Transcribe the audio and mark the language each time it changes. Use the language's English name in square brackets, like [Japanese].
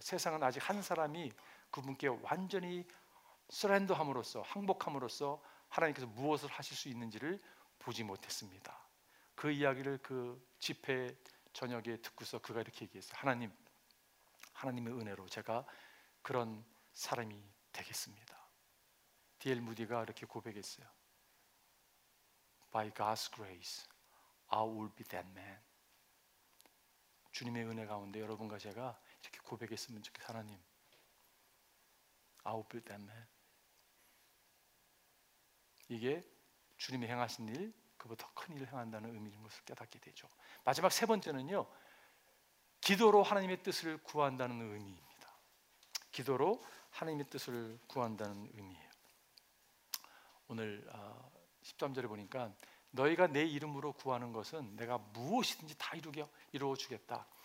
[Korean] 세상은 아직 한 사람이 그분께 완전히 surrender함으로써 항복함으로써 하나님께서 무엇을 하실 수 있는지를 보지 못했습니다. 그 이야기를 그 집회 저녁에 듣고서 그가 이렇게 얘기했어요. 하나님, 하나님의 은혜로 제가 그런 사람이 되겠습니다. 디엘 무디가 이렇게 고백했어요. [English] By God's grace, I will be that man. [Korean] 주님의 은혜 가운데 여러분과 제가 이렇게 고백했으면 좋겠어요. 하나님, [English] I will be that man. [Korean] 이게 주님이 행하신 일, 그보다 더 큰 일을 행한다는 의미인 것을 깨닫게 되죠. 마지막 세 번째는요, 기도로 하나님의 뜻을 구한다는 의미입니다. 기도로 하나님의 뜻을 구한다는 의미예요. 오늘 13절에 보니까 너희가 내 이름으로 구하는 것은 내가 무엇이든지 다 이루어주겠다.